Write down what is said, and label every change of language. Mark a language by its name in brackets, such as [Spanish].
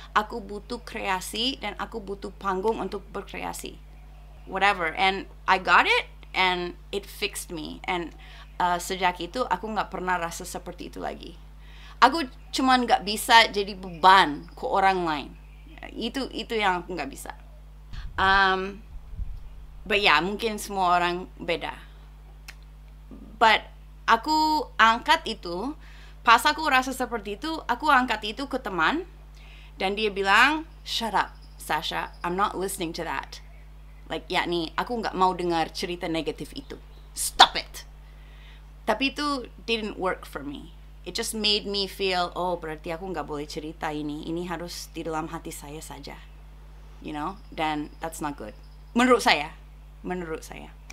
[Indonesian] Aku butuh kreasi, dan aku butuh panggung untuk berkreasi. [English] Whatever. And I got it, and it fixed me. [Indonesian] And sejak itu aku gak pernah rasa seperti itu lagi. Aku cuman gak bisa jadi beban ke orang lain. Itu yang aku gak bisa. But yeah, mungkin semua orang beda. But aku angkat itu, pas aku rasa seperti itu, aku angkat itu ke teman. [English] Dan dia bilang, shut up, Sasha, I'm not listening to that. [Indonesian] Like, yakni, aku gak mau dengar cerita negatif itu. [English] Stop it! Tapi itu didn't work for me. [Indonesian] It just made me feel, oh, berarti aku gak boleh cerita ini. Ini harus di dalam hati saya saja. You know? Dan that's not good. Menurut saya. Menurut saya.